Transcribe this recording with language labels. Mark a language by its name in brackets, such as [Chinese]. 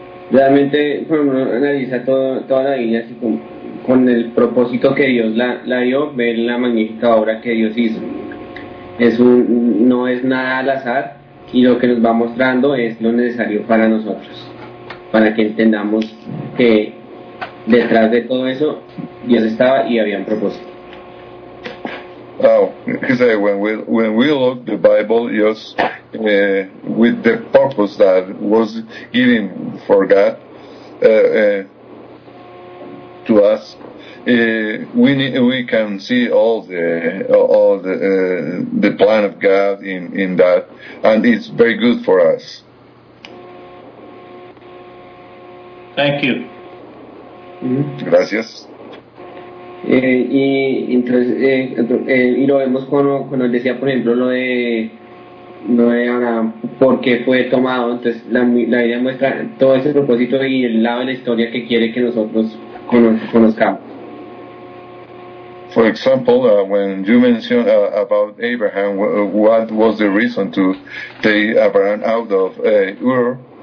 [Spanish] Realmente, bueno, analiza toda la Biblia así con el propósito que Dios la dio, ver la magnífica obra que Dios hizo. No es nada al azar, y lo que nos va mostrando es lo necesario para nosotros, para que entendamos que detrás de todo eso Dios estaba y había un propósito. [English] Oh, he said when we look the Bible, yes, with the purpose that was given for God to us, we can see all the plan of God in that, and it's very good for us. Thank you. [Spanish] Gracias. Y entonces lo vemos cuando él decía, por ejemplo, lo de Abraham, por qué fue tomado. Entonces la Biblia muestra todo ese propósito y el lado de la historia que quiere que nosotros conozcamos. [English] For example, when you mentioned about Abraham, what was the reason to take Abraham out of Ur?